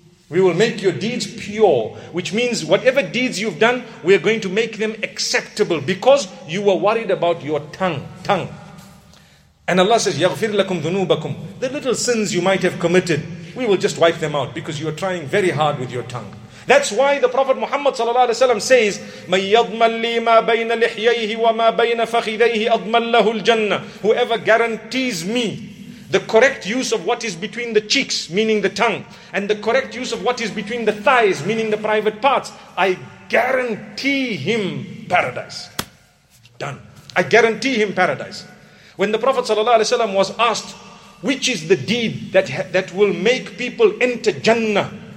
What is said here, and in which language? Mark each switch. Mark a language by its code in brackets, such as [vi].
[en] We will make your deeds pure, which means whatever deeds you've done, we are going to make them acceptable because you were worried about your tongue. And Allah says, [ar] يَغْفِرْ لَكُمْ ذُنُوبَكُمْ. [en] The little sins you might have committed, we will just wipe them out because you are trying very hard with your tongue. That's why the Prophet Muhammad sallallahu alaihi wasallam says, [ar] مَنْ يَضْمَنْ لِي مَا بَيْنَ لِحْيَيْهِ وَمَا بَيْنَ فَخِذَيْهِ أَضْمَنْ لَهُ الْجَنَّةِ. [en] Whoever guarantees me the correct use of what is between the cheeks, meaning the tongue, and the correct use of what is between the thighs, meaning the private parts, I guarantee him paradise. Done. I guarantee him paradise. When the Prophet ﷺ was asked, which is the deed that will make people enter Jannah?